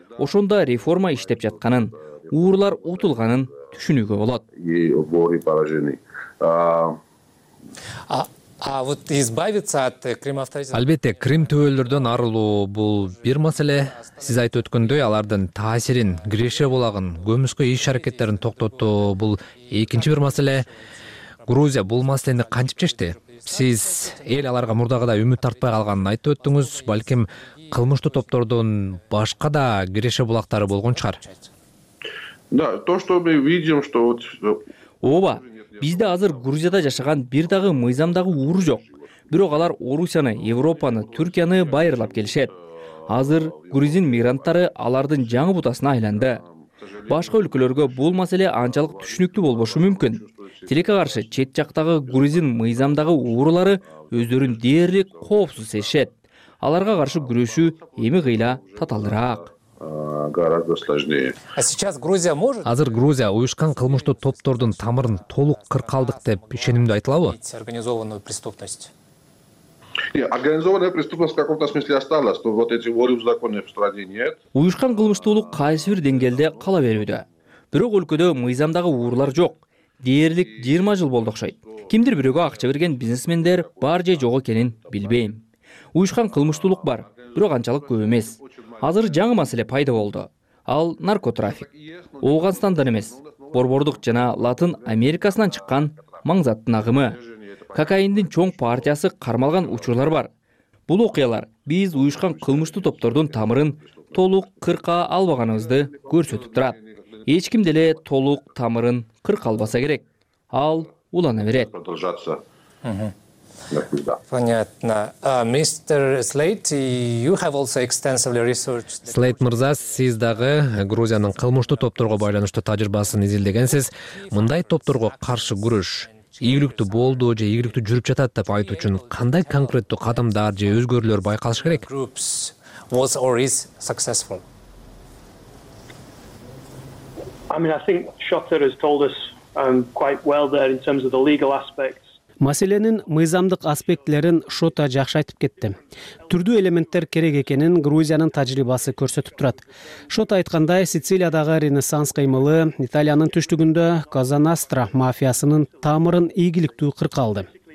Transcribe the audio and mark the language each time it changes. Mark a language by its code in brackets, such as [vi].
[ky] Ошондо реформа иштеп жатканын, уурлар утулганын түшүнүүгө болот. Албетте, Крым төбөлөрдөн арылуу бул бир маселе. Сиз айтып өткөндөй, алардын таасирин, киреше булагын, көмүскө иш аракеттерин токтотуу бул экинчи бир маселе. Грузия бул маселени кантип чечти? Сиз эл аларга мурдагыдай үмүт тартпай калганын айтып өттүңүз, балким кылмыштуу топтордун башка да киреше булактары болгон чыгар. [ru] Да, то что мы видим, что вот [ky] ооба. Бизде азыр Грузияда жашаган бир дагы мыйзамдагы уур жок. Бирок алар Орусияны, Европаны, Түркияны байырлап келишет. Азыр грузин мигранттары алардын жаңы бутасына айланды. Башка өлкөлөргө бул маселе анчалык түшүнүктүү болбошу мүмкүн. Тилекке каршы чет жактагы грузин мыйзамдагы уурлары өздөрүн дээрлик коопсуз сезишет. Аларга каршы күрөшүү эми кыйла таталдыраак. [ru] Гораздо сложнее. А сейчас Грузия может? [ky] Азыр Грузия уюшкан кылмыштуу топтордун тамырын толук кыркалдык деп ишенимдүү айта алабы? [ru] Организованную преступность. Организованная преступность в каком-то смысле осталась, но вот эти воры в законе в стране нет. [ky] Уюшкан кылмыштуулук кайсы бир деңгээлде кала берүүдө. Бирок өлкөдө мыйзамдагы уурлар жок. Дээрлик 20 жыл болду окшойт. Кимдир бирөөгө акча берген бизнесмендер бар же жок экенин билбейм. Уюшкан кылмыштуулук бар, бирок анчалык көп эмес. Азыр жаңы маселе пайда болду. Ал наркотрафик. Ооганстандан эмес, борбордук жана Латын Америкасынан чыккан маңзаттын агымы. Кокаиндин чоң партиясы кармалган учурлар бар. Бул окуялар биз уюшкан кылмыштуу топтордун тамырын толук кырка албаганыбызды көрсөтүп турат. Эч ким деле толук тамырын кырка албаса керек. Ал улана берет. [ru] Понятно. [en] Мистер Слейт, you have also extensively researched. [ky] Слейт мырза, сиз дагы Грузиянын кылмыштуу топторго байланыштуу тажрыйбасын изилдегенсиз. Мындай топторго каршы күрөш ийгиликтүү болду же ийгиликтүү жүрүп жатат деп айтуу үчүн кандай конкреттүү кадамдар же өзгөрүүлөр байкалыш керек? [en] Groups was or is successful. I mean, I think Schotter has told us quite well there in terms of the legal aspect. [ky] Маселенин мыйзамдык аспектлерин Шота жакшы айтып кетти. Түрдүү элементтер керек экенин Грузиянын тажрыйбасы көрсөтүп турат. Шота айткандай, Сицилиядагы Ренессанс кыймылы Италиянын түштүгүндө Казанастра мафиясынын тамырын ийгиликтүү кырка алды.